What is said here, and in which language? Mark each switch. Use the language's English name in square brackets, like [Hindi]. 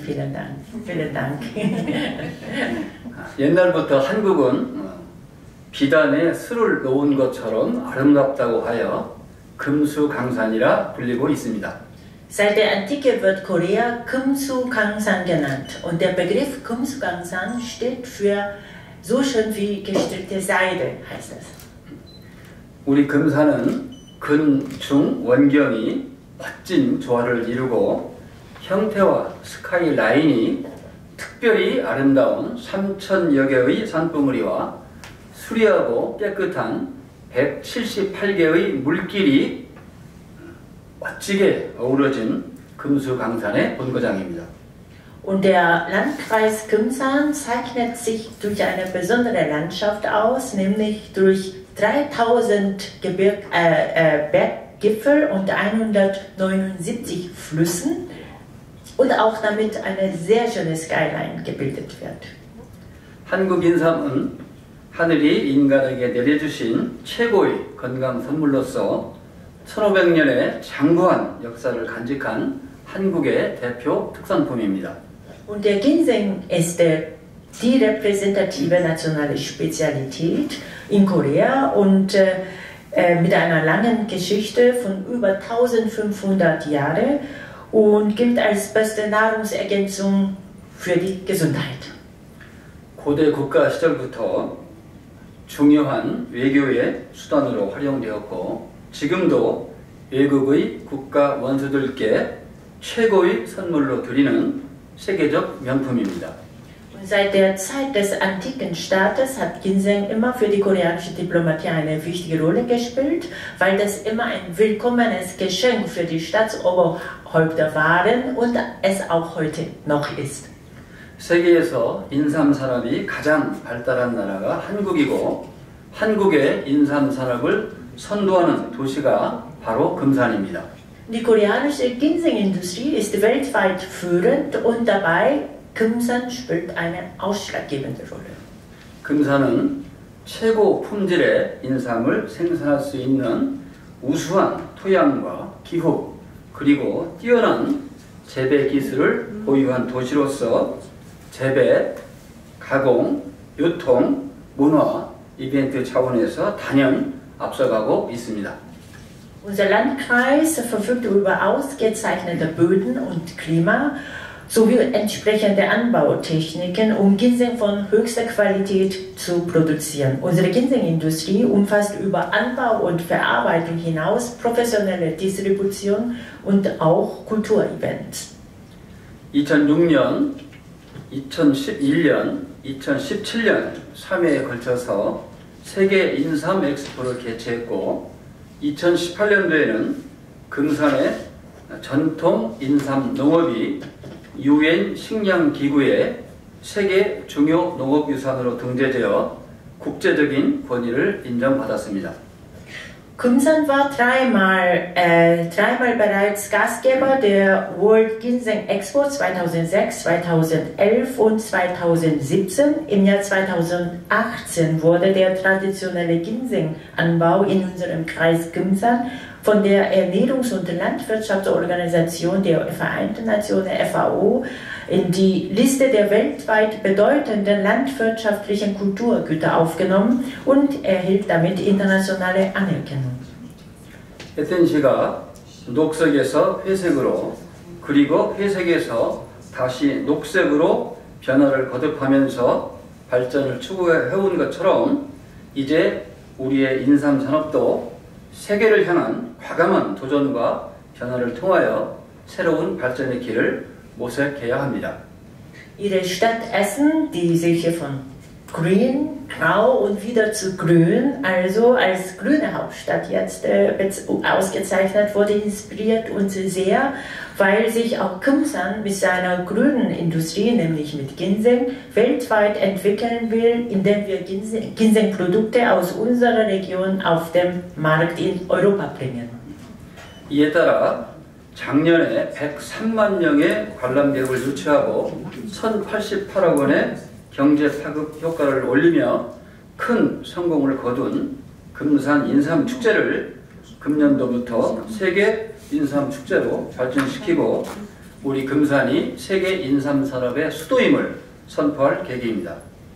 [German] Vielen Dank. Vielen Dank. [Korean] 옛날부터 한국은 비단에 술을 놓은 것처럼 아름답다고 하여 금수강산이라 불리고 있습니다. [German] Seit der Antike wird Korea 금수강산 genannt und der Begriff 금수강산 steht für so schön wie gestrickte Seide heißt es. [Korean] 우리 금산은 금중원경이 멋진 조화를 이루고 형태와 스카이라인이 특별히 아름다운 3천여 개의 산봉우리와 수리하고 깨끗한 178개의 물길이 멋지게 어우러진 금수강산의 본거장입니다. [German] Und der Landkreis Geumsan zeichnet sich durch eine besondere Landschaft aus, nämlich durch 3000 Berggipfel und 179 Flüssen und auch damit eine sehr schöne Skyline gebildet wird. [Korean] 한국인삼은 하늘이 인간에게 내려주신 최고의 건강 선물로서 1500년의 장구한 역사를 간직한 한국의 대표 특산품입니다. [German] Und der Ginseng ist die repräsentative nationale Spezialität in Korea und mit einer langen Geschichte von über 1500 Jahren und gilt als beste Nahrungsergänzung für die Gesundheit. [Korean] 고대 국가 시절부터 중요한 외교의 수단으로 활용되었고 지금도 외국의 국가 원수들께 최고의 선물로 드리는 세계적 명품입니다. [German] Und seit der Zeit des antiken Staates hat Ginseng immer für die koreanische Diplomatie eine wichtige Rolle gespielt, weil das immer ein willkommenes Geschenk für die Staatsoberhäupter waren und es auch heute noch ist. [Korean] 세계에서 인삼 산업이 가장 발달한 나라가 한국이고 한국의 인삼 산업을 선도하는 도시가 바로 금산입니다. [German] Die koreanische Ginseng-Industrie ist weltweit führend und dabei Geumsan spielt eine ausschlaggebende Rolle. [Korean] 금산은 최고 품질의 인삼을 생산할 수 있는 우수한 토양과 기후 그리고 뛰어난 재배 기술을 보유한 도시로서 재배, 가공, 유통, 문화, 이벤트 차원에서 당연히 앞서가고 있습니다. [German] Unser Landkreis verfügt über ausgezeichnete Böden und Klima sowie entsprechende Anbautechniken, um Ginseng von höchster Qualität zu produzieren. Unsere Ginsengindustrie umfasst über Anbau und Verarbeitung hinaus professionelle Distribution und auch Kulturevents. [Korean] 2006년, 2011년, 2017년 3회에 걸쳐서 세계 인삼 엑스포를 개최했고 2018년도에는 금산의 전통 인삼 농업이 UN 식량기구의 세계 중요 농업유산으로 등재되어 국제적인 권위를 인정받았습니다. [German] Gunsan war dreimal bereits Gastgeber der World Ginseng Expo 2006, 2011 und 2017. Im Jahr 2018 wurde der traditionelle Ginseng-Anbau in unserem Kreis Gunsan von der Ernährungs- und Landwirtschaftsorganisation der Vereinten Nationen FAO in die Liste der weltweit bedeutenden landwirtschaftlichen Kulturgüter aufgenommen und erhielt damit internationale Anerkennung. [Korean] 에텐시가 녹색에서 회색으로 그리고 회색에서 다시 녹색으로 변화를 거듭하면서 발전을 추구해온 것처럼 이제 우리의 인삼 산업도 세계를 향한 과감한 도전과 변화를 통하여 새로운 발전의 길을 모색해야 합니다. [German] Ihre Stadt Essen, die sich von Grün, Grau und wieder zu Grün, also als grüne Hauptstadt jetzt ausgezeichnet wurde, inspiriert uns sehr, weil sich auch Gunsan mit seiner grünen Industrie, nämlich mit Ginseng, weltweit entwickeln will, indem wir Ginseng-Produkte aus unserer Region auf dem Markt in Europa bringen. [Korean] 이에 따라 작년에 103만 명의 관람객을 유치하고 1,088억 원의 경제 파급 효과를 올리며 큰 성공을 거둔 금산 인삼 축제를 금년도부터 세계 인삼 축제로 발전시키고 우리 금산이 세계 인삼 산업의 수도임을 선포할 계획입니다.